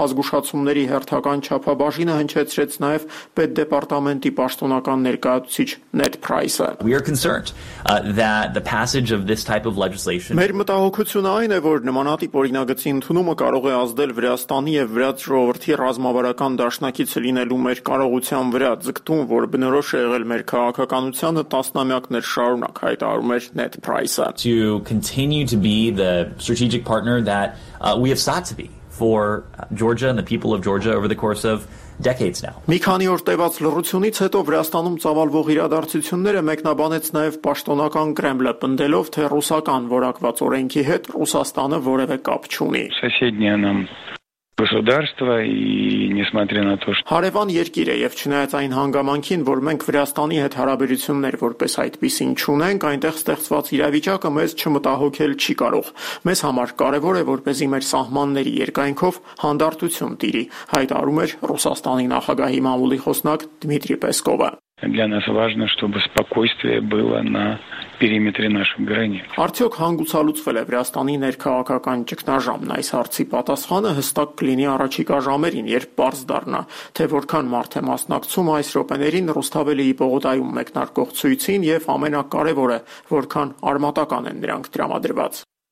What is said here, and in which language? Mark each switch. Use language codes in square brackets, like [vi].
[hy] զգուշացումների հերթական չափաբաժինը հնչեցրեց նաև Պետդեպարտամենտի պաշտոնական ներկայացուցիչ Նեդ Փրայսը։ Մեր մտահոգությունը այն է, որ նմանատիպ օրինագծի ընդունումը կարող է ազդել Վրաստանի և Վրաց ժողովրդի ռազմավարական դաշնակից լինելու մեր կարողության վրա, ձգտում, որ բնորոշ է եղել մեր քաղաքականությանը տասնամյակներ շարունակ, հայտարարում էր Նեդ Փրայսը։ [en] To continue to be the strategic partner that we have sought to be for Georgia and the people of Georgia over the course of decades now. [hy] Մի քանի օր տևած լռությունից հետո Վրաստանում ծավալվող իրադարձությունները մեկնաբանեց նաև պաշտոնական Կրեմլը, պնդելով, թե ռուսական որակված օրենքի հետ Ռուսաստանը որևէ կապ չունի։ Սեսեդնյանը [ru] государства и несмотря на то, что [hy] Հարևան երկիր է եւ չնայած այն հանգամանքին, որ մենք Վրաստանի հետ հարաբերություններ որպես այդպիսին չունենք, այնտեղ ստեղծված իրավիճակը մեզ չմտահոգել չի կարող։ Մեզ համար կարևոր է, որպեսզի մեր սահմանների երկայնքով հանդարտություն տիրի, հայտարում էր Ռուսաստանի նախագահի մամուլի խոսնակ Դմիտրի Պեսկովը։ [ru] Для нас важно, чтобы спокойствие было на периметре наших границ. [hy] Արդյոք հանգուցալուծվել է Վրաստանի ներքաղաքական ճգնաժամն, այս հարցի պատասխանը հստակ կլինի առաջիկա ժամերին, երբ պարզ դառնա, թե որքան մարդ է մասնակցում այս րոպեներին Ռուստավելիի պողոտայում մեկնարկող ցույցին եւ ամենակարևորը, որքան արմատական են նրանք դրամադրված։